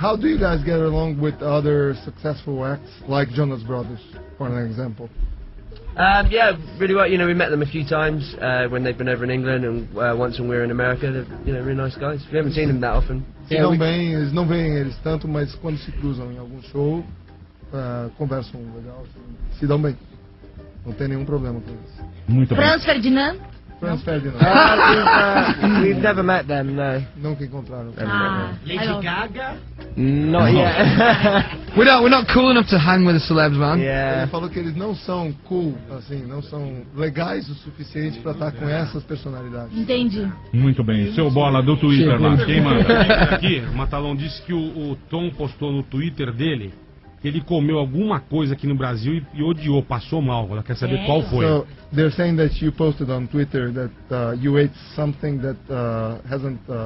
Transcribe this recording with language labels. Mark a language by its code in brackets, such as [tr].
[en] How do you guys get along with other successful acts like Jonas Brothers, for an example? Yeah, really well. You know, we met them a few times when they've been over in England, and once when we were in America. They're, you know, really nice guys. We haven't seen them that often. [pt] Se não vêm, eles não veem eles tanto, mas quando se cruzam em algum show, conversam legal, se dão bem. Não tem nenhum problema com eles. Muito Franz bem. Ferdinand? Franz Ferdinand. [en] We've never met them, no. [pt] Nunca encontraram. Ah, Lady Gaga? [en] Not yet. we're not cool enough to hang with the celebs, man. Yeah. [pt] Ele falou que eles não são cool, assim, não são legais o suficiente pra estar com essas personalidades. Entendi. Muito bem. Seu bola do Twitter lá, quem manda? Aqui, o Matalão disse que o Tom postou no Twitter dele que ele comeu alguma coisa aqui no Brasil e odiou, passou mal. Ela quer saber qual foi. [en] So, they're saying that you posted on Twitter that you ate something that hasn't...